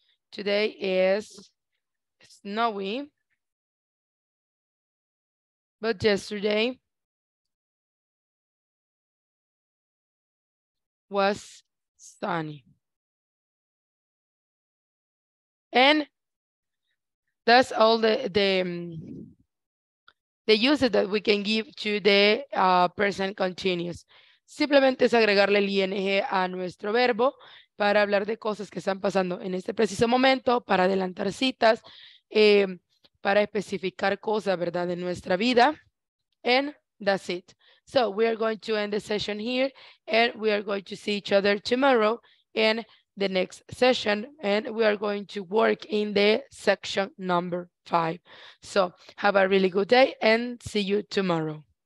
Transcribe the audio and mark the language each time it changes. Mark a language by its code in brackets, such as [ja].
[en] Today is snowing, but yesterday was sunny. And that's all the uses that we can give to the present continuous. [es] Simplemente es agregarle el ing a nuestro verbo para hablar de cosas que están pasando en este preciso momento, para adelantar citas, para especificar cosas, ¿verdad?, de nuestra vida. [en] And that's it. So we are going to end the session here and we are going to see each other tomorrow and the next session, and we are going to work in the section number 5. So have a really good day and see you tomorrow.